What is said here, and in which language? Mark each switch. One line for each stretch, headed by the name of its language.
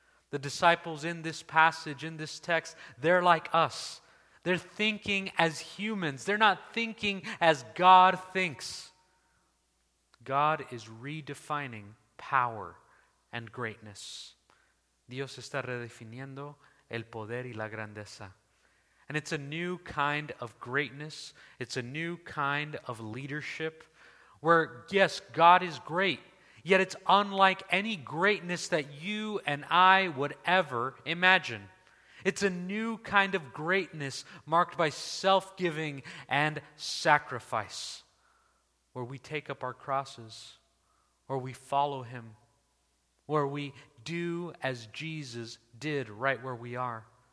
English: The disciples in this passage, in this text, they're like us. They're thinking as humans. They're not thinking as God thinks. God is redefining power and greatness.
Spanish: Dios está redefiniendo el poder y la grandeza.
English: And it's a new kind of greatness. It's a new kind of leadership where, yes, God is great, yet it's unlike any greatness that you and I would ever imagine. It's a new kind of greatness marked by self-giving and sacrifice, where we take up our crosses, where we follow him, where we do as Jesus did right where we are.